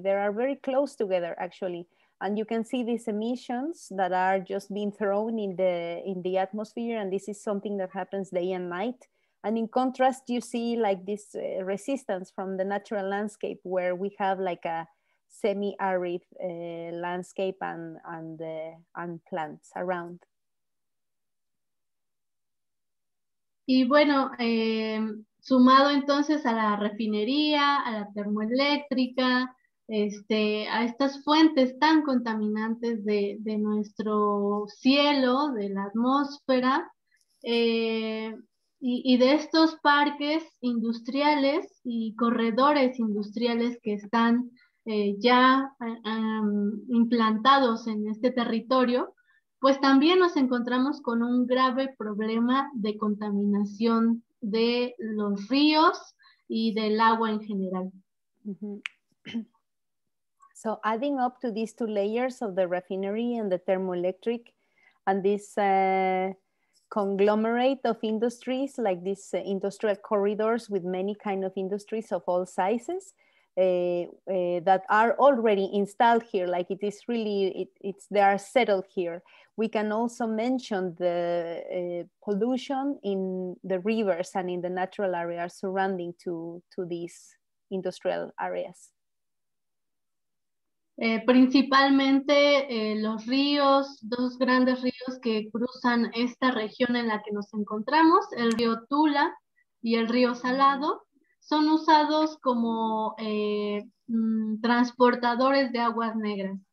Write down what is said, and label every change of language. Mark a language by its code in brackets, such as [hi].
[en] They are very close together, actually. And you can see these emissions that are just being thrown in the atmosphere. And this is something that happens day and night. And in contrast, you see like this resistance from the natural landscape where we have like a semi-arid landscape and plants around. [es] Y bueno, sumado entonces a la refinería, a la termoeléctrica, a estas fuentes tan contaminantes de nuestro cielo, de la atmósfera, y de estos parques industriales y corredores industriales que están ya implantados en este territorio, pues también nos encontramos con un grave problema de contaminación de los ríos y del agua en general. Mm-hmm. [en] So adding up to these two layers of the refinery and the thermoelectric and this conglomerate of industries, like these industrial corridors with many kind of industries of all sizes, that are already installed here, like it is really, it's they are settled here. We can also mention the pollution in the rivers and in the natural areas surrounding to these industrial areas. [es] Principalmente los ríos, dos grandes ríos que cruzan esta región en la que nos encontramos, el río Tula y el río Salado, son usados como transportadores de aguas negras.